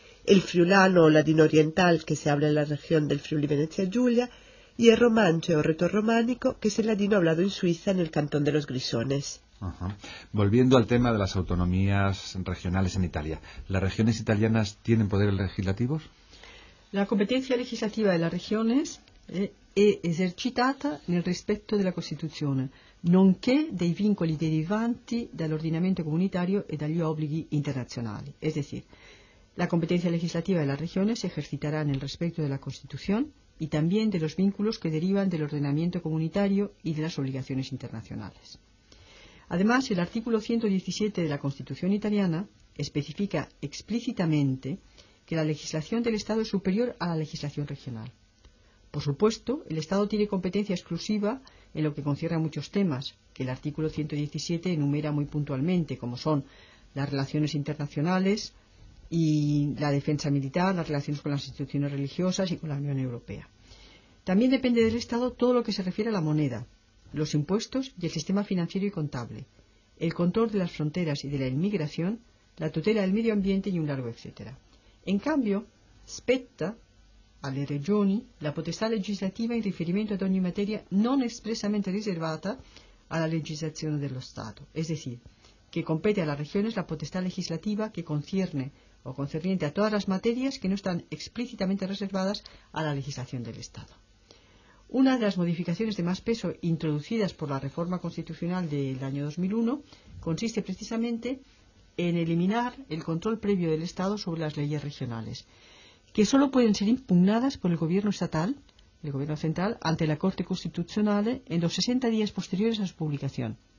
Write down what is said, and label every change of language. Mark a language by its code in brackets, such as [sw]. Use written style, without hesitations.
[es] El friulano o ladino oriental, que se habla en la región del Friuli Venezia Giulia. Y el romanche o retorrománico, que es el ladino hablado en Suiza, en el cantón de los Grisones. Ajá. Volviendo al tema de las autonomías regionales en Italia, ¿las regiones italianas tienen poderes legislativos? La competencia legislativa de las regiones es [it] esercitata nel rispetto della Costituzione, nonché dei vincoli derivanti dall'ordinamento comunitario e dagli obblighi internazionali. [es] Es decir, la competencia legislativa de las regiones se ejercitará [it] nel rispetto della Costituzione [es] y también de los vínculos que derivan del ordenamiento comunitario y de las obligaciones internacionales. Además, el artículo 117 de la Constitución italiana especifica explícitamente que la legislación del Estado es superior a la legislación regional. Por supuesto, el Estado tiene competencia exclusiva en lo que concierne a muchos temas, que el artículo 117 enumera muy puntualmente, como son las relaciones internacionales y la defensa militar, las relaciones con las instituciones religiosas y con la Unión Europea. También depende del Estado todo lo que se refiere a la moneda, los impuestos y el sistema financiero y contable, el control de las fronteras y de la inmigración, la tutela del medio ambiente y un largo etcétera. En cambio, [it] spetta alle regioni la potestà legislativa in riferimento ad ogni materia non espressamente riservata alla legislazione dello Stato. [es] Es decir, que compete a las regiones la [it] potestà legislativa che [es] concierne o concerniente a todas las materias que no están explícitamente reservadas a la legislación del Estado. Una de las modificaciones de más peso introducidas por la reforma constitucional del año 2001 consiste precisamente en eliminar el control previo del Estado sobre las leyes regionales, que solo pueden ser impugnadas por el gobierno estatal, el gobierno central, ante la Corte Constitucional en los 60 días posteriores a su publicación.